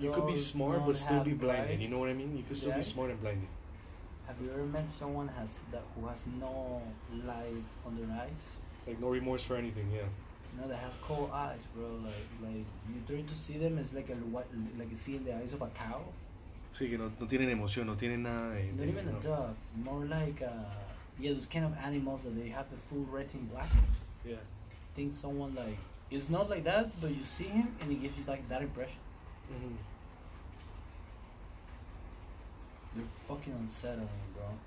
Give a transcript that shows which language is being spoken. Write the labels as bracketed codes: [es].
[en] You could be smart, but still be blinded, right? You know what I mean? You could still be smart and blinded. Have you ever met someone who has no light on their eyes? Like, no remorse for anything, yeah. No, they have cold eyes, bro. Like you try to see them, it's like seeing the eyes of a cow. [es] Sí, que no tienen emoción, no tienen nada de... [en] Not even no. A dog, more like a... Yeah, those kind of animals that they have the full red and black. Yeah. I think someone like... It's not like that, but you see him and he gives you like that impression. Mm-hmm. They're fucking unsettling, bro.